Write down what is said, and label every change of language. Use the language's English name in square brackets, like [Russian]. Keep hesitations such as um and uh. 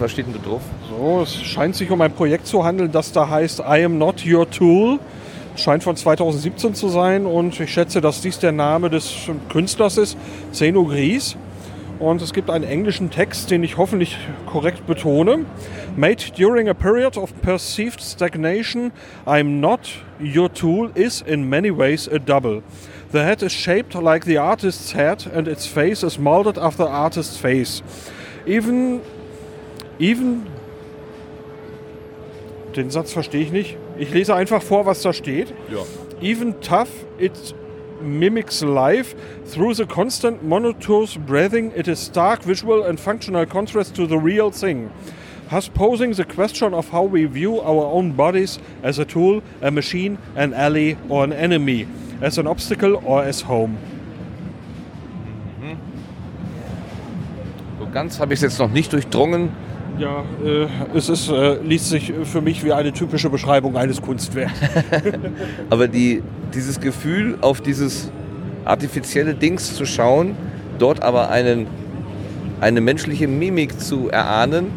[German] Was steht denn da drauf? So, es scheint sich um ein Projekt zu handeln, das da heißt I am not your tool scheint von 2017 zu sein und ich schätze, dass dies der Name des Künstlers ist, Zeno Gries. Und es gibt einen englischen Text, den ich hoffentlich korrekt betone. [English] Made during a period of perceived stagnation, I'm not your tool is in many ways a double. The head is shaped like the artist's head and its face is molded after artist's face. [German] Even, even, den Satz verstehe ich nicht. Ich lese einfach vor, was da steht. Ja. [English] Even tough, it mimics life. Through the constant monotonous breathing, it is stark visual and functional contrast to the real thing. Has posing the question of how we view our own bodies as a tool, a machine, an ally or an enemy, as an obstacle or as home. [German] So ganz habe ich es jetzt noch nicht durchdrungen. Ja, äh, es ist, äh, liest sich für mich wie eine typische Beschreibung eines Kunstwerks. aber die, dieses Gefühl, auf dieses artifizielle Dings zu schauen, dort aber einen, eine menschliche Mimik zu erahnen.